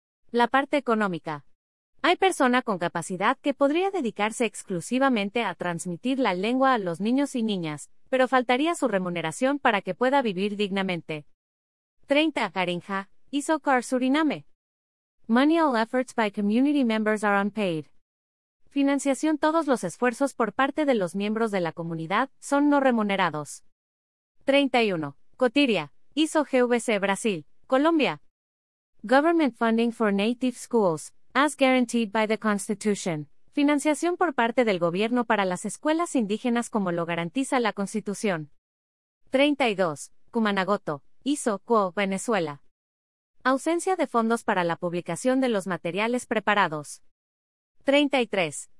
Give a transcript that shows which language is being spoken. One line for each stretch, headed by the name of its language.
Spanish: La parte económica. Hay persona con capacidad que podría dedicarse exclusivamente a transmitir la lengua a los niños y niñas, pero faltaría su remuneración para que pueda vivir dignamente. 30.
English: Garinja, ISO CAR Suriname. Money all efforts by community members are unpaid.
Spanish: Financiación: todos los esfuerzos por parte de los miembros de la comunidad son no remunerados. 31. Cotiria, ISO GVC Brasil, Colombia.
English: Government funding for native schools, as guaranteed by the Constitution.
Spanish: Financiación por parte del gobierno para las escuelas indígenas, como lo garantiza la Constitución. 32. Cumanagoto, ISO CUO, Venezuela. Ausencia de fondos para la publicación de los materiales preparados. 33.